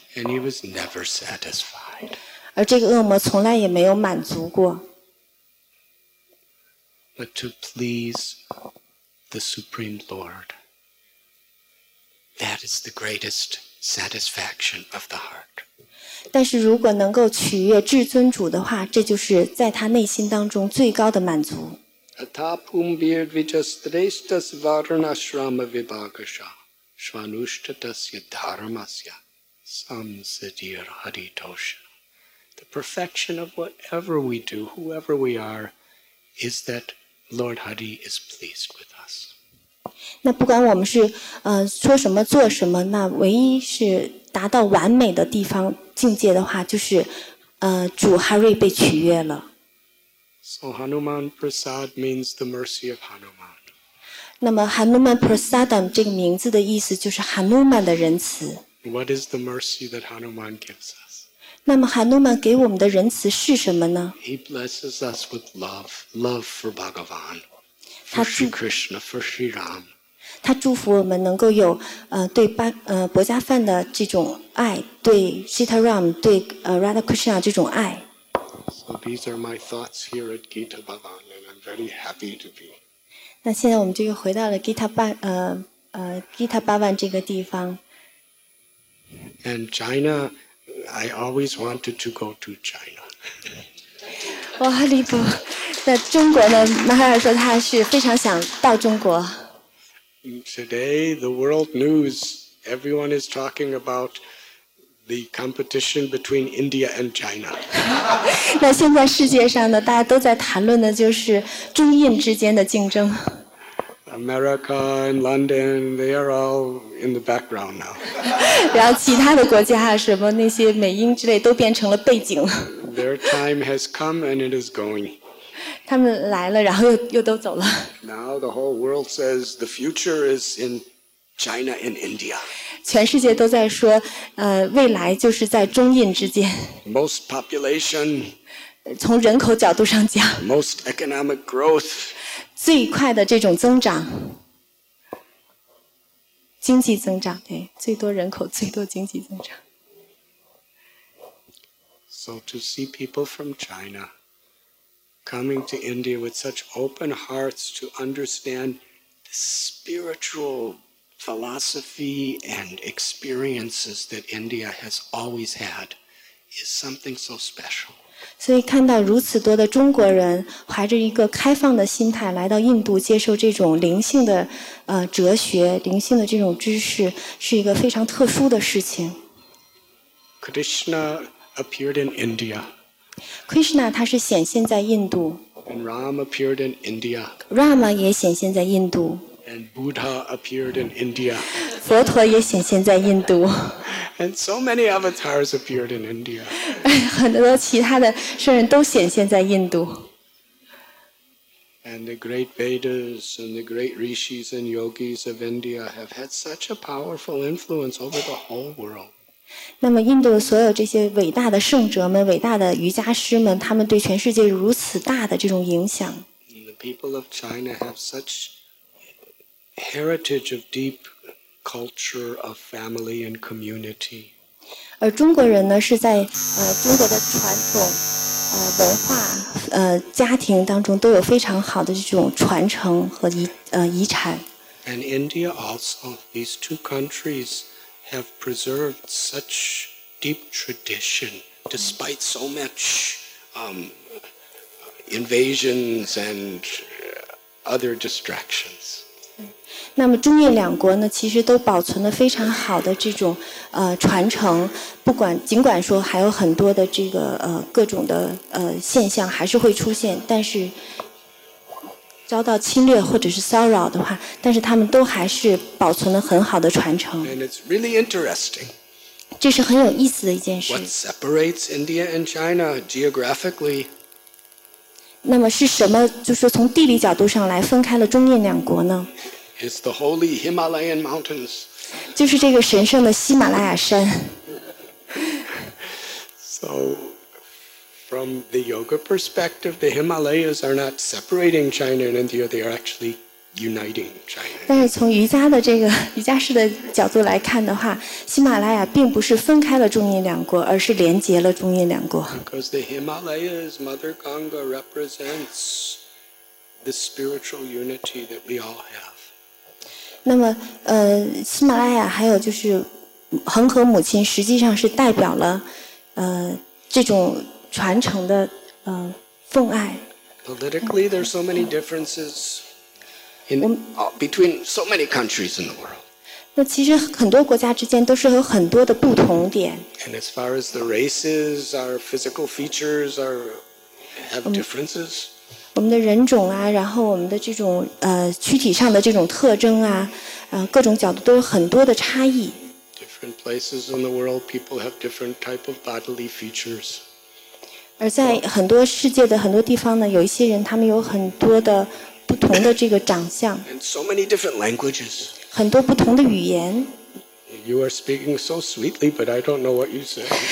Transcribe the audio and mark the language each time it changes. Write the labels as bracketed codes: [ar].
[en] And he was never satisfied. [zh] 而这个恶魔从来也没有满足过。 [en] But to please the Supreme Lord, that is the greatest satisfaction of the heart. [zh] 但是如果能够取悦至尊主的话，这就是在他内心当中最高的满足。 [sa] Atapum bir vijastresdas varnashrama vibhagasha svanushtadasya dharmasya samsidir haritosha. [en] The perfection of whatever we do, whoever we are, is thatLord Hari is pleased with us. [zh] 那不管我们是说什么做什么，那唯一是达到完美的地方境界的话，就是主哈瑞被取悦了。 [en] So Hanuman Prasad means the mercy of Hanuman. [zh] 那么 Hanuman Prasadam 这个名字的意思就是 Hanuman 的仁慈。 [en] What is the mercy that Hanuman gives us? [zh] 那么 Hanuman 给我们的仁慈是什么呢？ [en] He blesses us with love, love for Bhagavan, for Sri Krishna, for Sri Ram. [zh] 他祝福我们能够有对薄伽梵的这种爱，对 Sitaram, 对Radha Krishna 这种爱。 [en] So these are my thoughts here at Gita Bhavan, and I'm very happy to be. [zh] 那现在我们就又回到了 Gita Bhavan 这个地方。 [en] And China. I always wanted to go to China. [zh] 哇，离谱！那中国呢？马哈尔说他是非常想到中国。 [en] Today, the world news, everyone is talking about the competition between India and China. [zh] 那现在世界上呢，大家都在谈论的就是中印之间的竞争。 [en] America and London, they are all in the background now. [zh] 然后其他的国家啊，什么那些美英之类，都变成了背景了。 [en] Their time has come and it is going. [zh] 他们来了，然后又都走了。 [en] Now the whole world says the future is in China and India. [zh] 全世界都在说，未来就是在中印之间。 [en] Most population. [zh] 从人口角度上讲。 [en] Most economic growth. [zh] 最快的这种增长，经济增长，对，最多人口，最多经济增长。 [en] So to see people from China coming to India with such open hearts to understand the spiritual philosophy and experiences that India has always had is something so special. [zh] 所以看到如此多的中国人怀着一个开放的心态来到印度接受这种灵性的哲学灵性的这种知识是一个非常特殊的事情。 [en] Krishna appeared in India. [zh] Krishna 他是显现在印度。 [en] And Ram appeared in India. [zh] Rama 也显现在印度。 [en] And Buddha appeared in India. [zh] 佛陀也显现在印度。 [en] And so many avatars appeared in India. [zh] 很多其他的圣人都显现在印度。 [en] And the great Vedas and the great rishis and yogis of India have had such a powerful influence over the whole world. [zh] 那么印度所有这些伟大的圣哲们、伟大的瑜伽师们，他们对全世界如此大的这种影响。 [en] And the people of China have such heritage of deep. Culture of family and community. [zh] 而中国人呢是在中国的传统文化家庭当中都有非常好的这种传承和遗产。 [en] And India also, these two countries have preserved such deep tradition despite so much invasions and other distractions. [zh] 那么中印两国呢，其实都保存了非常好的这种传承，不管尽管说还有很多的这个各种的现象还是会出现，但是遭到侵略或者是骚扰的话，但是他们都还是保存了很好的传承。 [en] And it's really interesting. [zh] 这是很有意思的一件事。 [en] What separates India and China geographically? [zh] 那么是什么，就是从地理角度上来分开了中印两国呢？ [en] It's the holy Himalayan mountains. [zh] 就是这个神圣的喜马拉雅山。 [en] So, from the yoga perspective, the Himalayas are not separating China and India, they are actually uniting China. [zh] 但是从瑜伽的这个瑜伽式的角度来看的话，喜马拉雅并不是分开了中印两国，而是连接了中印两国。 [en] Because the Himalayas, Mother Ganga represents the spiritual unity that we all have. [zh] 那么，喜马拉雅还有就是恒河母亲，实际上是代表了这种传承的奉爱。 [en] Politically, there are so many differences. Between so many countries in the world. [zh] 那其实很多国家之间都是有很多的不同点。 [en] And as far as the races, our physical features have differences. [zh] 我们的人种啊，然后我们的这种躯体上的这种特征啊，各种角度都有很多的差异。 [en] Different places in the world, people have different type of bodily features. [zh] 而在很多世界的很多地方呢，有一些人他们有很多的不同的这个长相。 [en] And so many different languages. [zh] 很多不同的语言。 [en] You are speaking so sweetly, but I don't know what you say.